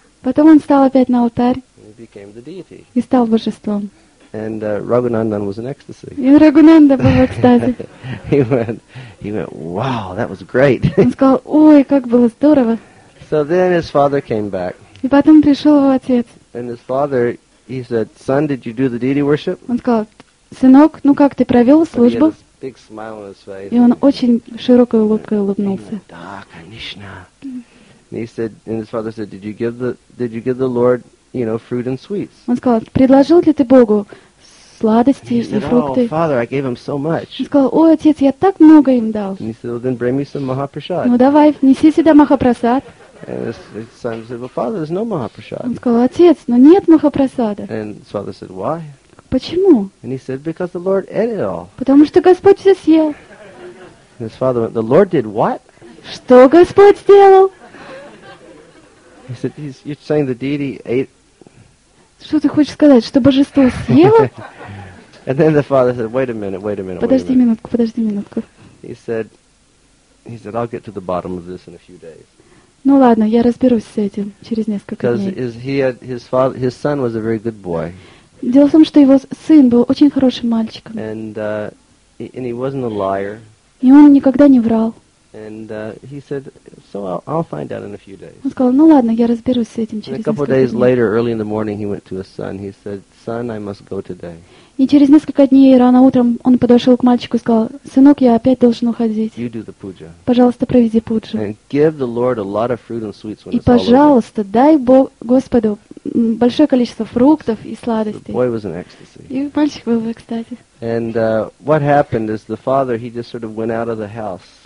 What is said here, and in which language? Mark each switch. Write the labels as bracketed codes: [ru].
[ru] Потом он стал опять на алтарь. [en] He became the deity. [ru] И стал божеством. [en] And Raghunandan was in ecstasy. [ru] И Рагунанда был в экстазе. [en] He went, "Wow, that was great." [ru] Он сказал: "Ой, как было здорово." [en] So then his father came back. [ru] И потом пришел его отец. [en] And his father, he said, "Son, did you do the deity worship?" [ru] Он сказал: "Сынок, ну как ты провел службу?" И он очень широкой улыбкой улыбнулся. "Да, конечно." [en] And his father said, "Did you give the Lord, you know, fruit and sweets?" [ru] Он сказал: "Предложил ли ты Богу сладости и фрукты?" [en] "Oh, Father, I gave him so much." [ru] Он сказал: "Ой, отец, я так много им дал." [en] And he said, "Well, then bring me some Mahaprasad." [ru] Ну давай, неси сюда Махапрасад. [en] And his son said, "Well, Father, there's no Mahaprasad." [ru] Он сказал: "Отец, но нет Махапрасада." [en] And his father said, "Why?" [ru] Почему? [en] And he said, "Because the Lord ate it all." [ru] Потому что Господь все съел. [en] And his father went, "The Lord did what?" [ru] Что Господь сделал? [en] He said, "You're saying the deity ate." [ru] Что ты хочешь сказать, что божество съело? [en] And then the father said, "Wait a minute." [ru] Подожди минутку. [en] He said, "I'll get to the bottom of this in a few days." [ru] Ну ладно, я разберусь с этим через несколько дней. [en] Because his son was a very good boy. [ru] Дело в том, что его сын был очень хорошим мальчиком. [en] And he wasn't a liar. [ru] И он никогда не врал. [en] He said, "So I'll find out in a few days." [ru] Он сказал: "Ну ладно, я разберусь с этим через несколько дней." [en] Later, early in the morning, he went to his son. He said, "Son, I must go today." [ru] И через несколько дней рано утром он подошел к мальчику и сказал: "Сынок, я опять должен уходить. [en] You do the puja. [ru] Пожалуйста, проведи пуджу. [en] And give the Lord a lot of fruit and sweets when [ru] И пожалуйста, дай Бог Господу большое количество фруктов и сладостей." [en] Boy was in ecstasy. [ru] И мальчик был в экстазе. [en] And what happened is the father, he just sort of went out of the house.